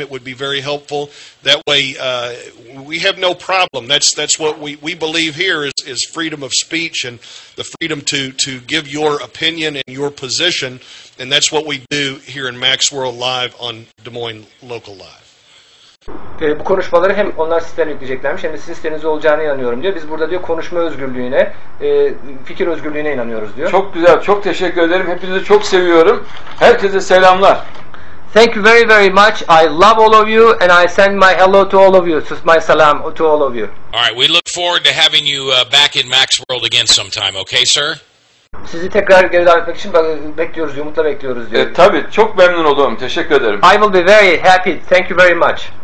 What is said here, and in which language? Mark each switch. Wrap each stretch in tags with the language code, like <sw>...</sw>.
<en>It would be very helpful. That way, we have no problem. That's what we believe here is freedom of speech and the freedom to give your opinion and your position, and that's what we do here in Max World Live on Des Moines Local Live.</en> <tr>Bu konuşmaları hem onlar sizden yükleyeceklermiş hem de siz sizlerinize olacağına inanıyorum diyor. Biz burada diyor konuşma özgürlüğüne, fikir özgürlüğüne inanıyoruz diyor. Çok güzel, çok teşekkür ederim. Hepinizi çok seviyorum. Herkese selamlar.</tr> <en>Thank you very very much. I love all of you and I send my hello to all of you. So my salam to all of you. All right, we look forward to having you back in Max World again sometime, okay sir?</en> <tr>Sizi tekrar geri davetmek için bekliyoruz, umutla bekliyoruz diyor. Tabii, çok memnun oldum. Teşekkür ederim.</tr> <en>I will be very happy. Thank you very much.</en>